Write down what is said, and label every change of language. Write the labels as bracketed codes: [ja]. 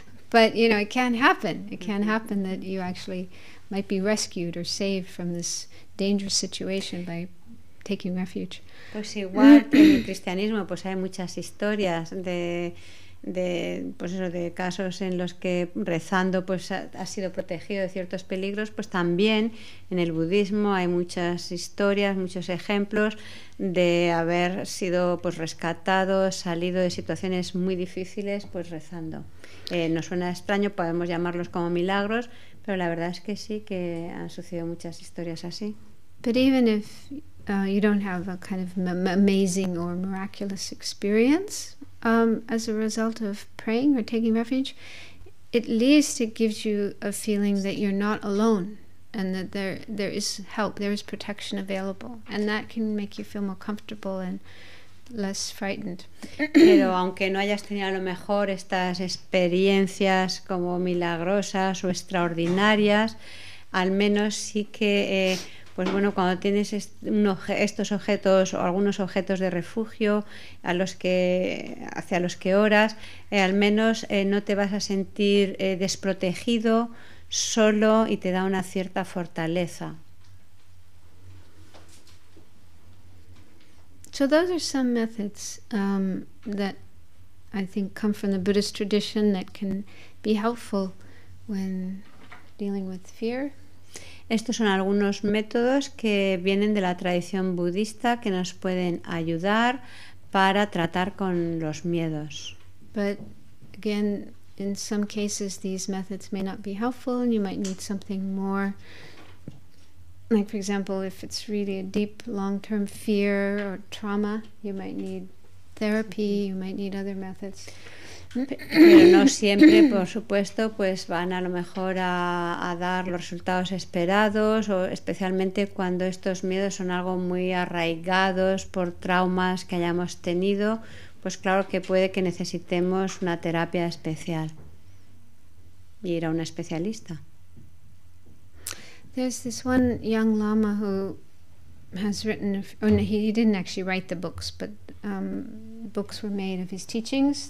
[en] But you know, it can happen. It can happen that you actually might be rescued or saved from this dangerous situation by taking refuge. [es] Pues igual que en el cristianismo, pues hay muchas historias de pues eso, de casos en los que rezando pues ha sido protegido de ciertos peligros. Pues también en el budismo hay muchas historias, muchos ejemplos de haber sido pues rescatado, salido de situaciones muy difíciles pues rezando. Nos suena extraño, podemos llamarlos como milagros, pero la verdad es que sí, que han sucedido muchas historias así. [en] But even if you don't have a kind of amazing or miraculous experience as a result of praying or taking refuge, at least it gives you a feeling that you're not alone and that there is help, there is protection available, and that can make you feel more comfortable and less frightened. [es] Pero aunque no hayas tenido a lo mejor estas experiencias como milagrosas o extraordinarias, al menos sí que pues bueno, cuando tienes estos objetos o algunos objetos de refugio hacia los que oras, al menos no te vas a sentir desprotegido, solo y te da una cierta fortaleza. [en] So those are some methods that I think come from the Buddhist tradition that can be helpful when dealing with fear. [es] Estos son algunos métodos que vienen de la tradición budista que nos pueden ayudar para tratar con los miedos. [en] But again, in some cases these methods may not be helpful and you might need something more. Like for example, if it's really a deep long-term fear or trauma, you might need therapy, you might need other methods. [es] Pero no siempre, por supuesto, pues van a lo mejor a dar los resultados esperados, o especialmente cuando estos miedos son algo muy arraigados por traumas que hayamos tenido, pues claro que puede que necesitemos una terapia especial y ir a un especialista. [en] There's this one young lama who has written, he didn't actually write the books, but books were made of his teachings.